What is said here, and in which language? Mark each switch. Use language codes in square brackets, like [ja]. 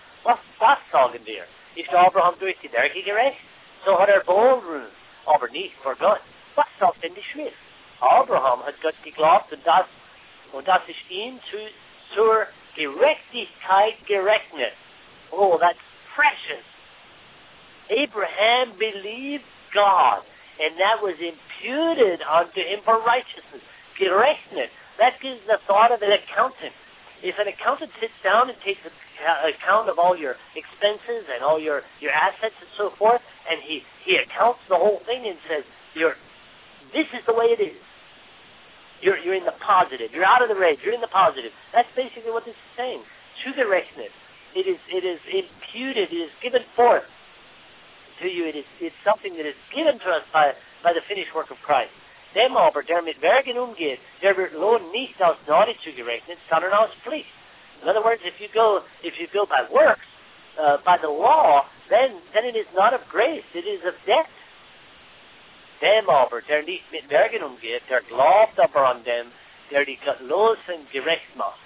[de] Was sagen wir? Ist Abraham durch die Berge gerecht? So hat wohl Ruhm, aber nicht vor Gott. Was sagt denn die Schrift? Abraham hat Gott geglaubt und das ist ihm zur Gerechtigkeit gerechnet. [en] Oh, that's precious. Abraham believed God, and that was imputed unto him for righteousness. Gerechnet. That gives the thought of an accountant. If an accountant sits down and takes account of all your expenses and all your assets and so forth, and he accounts the whole thing and says, this is the way it is. You're in the positive. You're out of the red. You're in the positive. That's basically what this is saying. Zugerechnet. It is imputed. It is given forth to you. It's something that is given to us by the finished work of Christ. [de] Dem aber, der mit Bergen umgeht, der wird Lohn nicht aus Gnade zugerechnet, sondern aus Pflicht. [en] In other words, if you go by works, by the law, then it is not of grace, it is of debt. [de] Dem aber, der nicht mit Bergen umgeht, der glaubt aber an dem, der die Gott los und gerecht macht.